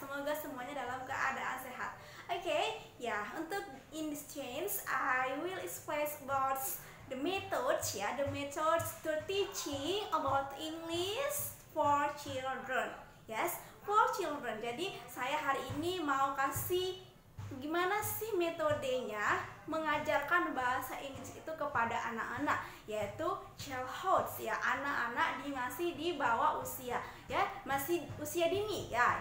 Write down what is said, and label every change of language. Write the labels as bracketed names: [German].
[Indonesian] semuanya dalam keadaan sehat. [English] Okay, yeah, [Indonesian] untuk [English] in this change, I will express about the methods, yeah, the methods to teaching about English for children. Yes, for children. [Indonesian] Jadi saya hari ini mau kasih gimana sih metodenya mengajarkan bahasa Inggris itu kepada anak-anak, yaitu childhood, ya, anak-anak di masih di bawah usia, ya, masih usia dini, ya.